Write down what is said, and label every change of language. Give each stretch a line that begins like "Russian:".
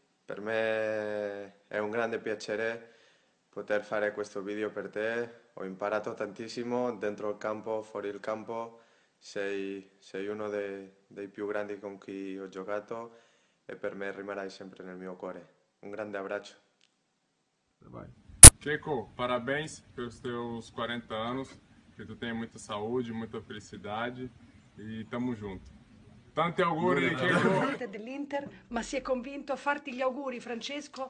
Italian: Per me è un grande piacere poter fare questo video per te. Ho imparato tantissimo dentro il campo, fuori il campo. Sei uno dei più grandi con cui ho giocato e per me rimarrai sempre nel mio cuore. Un grande abbraccio.
Portuguese: Checo, parabéns pelos teus 40 anos, que tu tenha muita saúde, muita felicidade e tamo junto.
Italian: Tanti auguri, Francesco. ...dell'Inter, ma si è convinto a farti gli auguri, Francesco.